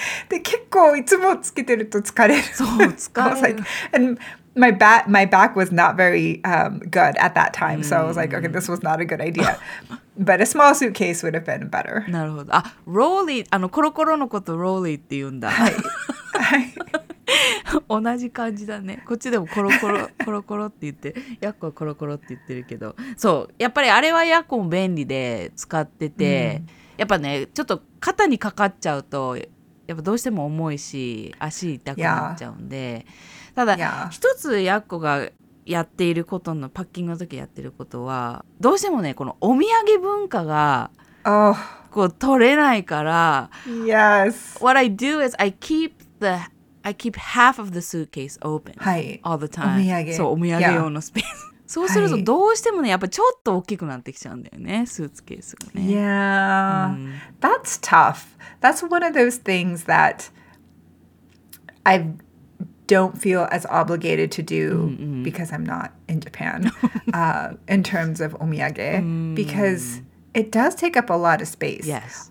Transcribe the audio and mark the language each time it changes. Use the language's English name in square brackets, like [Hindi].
[Japanese] で結構いつもつけてると疲れる。そう疲れる。 [English] Like, and my back was not very good at that time, so I was like, okay, this was not a good idea. But a small suitcase would have been better. [Japanese] なるほど。あ、ローリー、あのコロコロのことローリーって言うんだ。はい。はい、同じ感じだね。こっちでもコロコロコロコロって言って、ヤッコはコロコロって言ってるけど、そうやっぱりあれはヤッコも便利で使ってて。やっぱね、ちょっと肩にかかっちゃうとやっぱどうしても重いし足痛くなっちゃうんで、ただ一つやっこがやっていることのパッキングの時やってることはどうしてもね、このお土産文化がこう取れないから、 [English] Yes. What I do is I keep half of the suitcase open、 [Japanese] はい、 [English] all the time. [Japanese] お土産、そうお土産用のスペース、yeah. そうするとどうしてもね、はい、やっぱちょっと大きくなってきちゃうんだよね、スーツケースがね。 [English] Yeah, that's tough. That's one of those things that I don't feel as obligated to do because I'm not in Japan in terms of omiyage because it does take up a lot of space. Yes.